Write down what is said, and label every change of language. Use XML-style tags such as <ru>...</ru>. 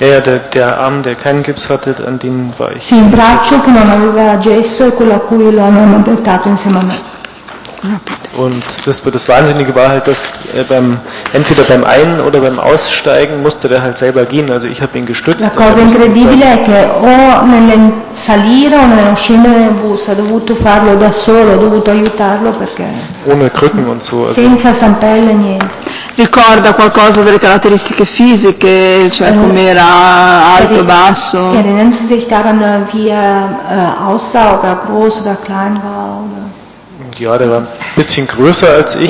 <de>Ja, der Arm, der keinen Gips hatte, an den war ich.</de> <it>Sì, il braccio che non aveva gesso e quello a cui lo hanno ammanettato insieme a me.</it> <de>Und das Wahnsinnige war halt, dass beim entweder beim Ein- oder beim Aussteigen musste der halt selber gehen. Also ich habe ihn gestützt.</de> <it>La cosa incredibile è che o nel salire o nel scendere in bus ha dovuto farlo da solo, ho dovuto aiutarlo perché.</it> <de>Ohne Krücken und so.</de> <it>Also. Senza stampelle niente. Ricorda qualcosa delle caratteristiche fisiche, cioè com'era alto, basso?</it> <de>Erinnern sich daran, wie er aussah, ob er groß oder klein war? Ja, der war ein bisschen größer als ich.</de>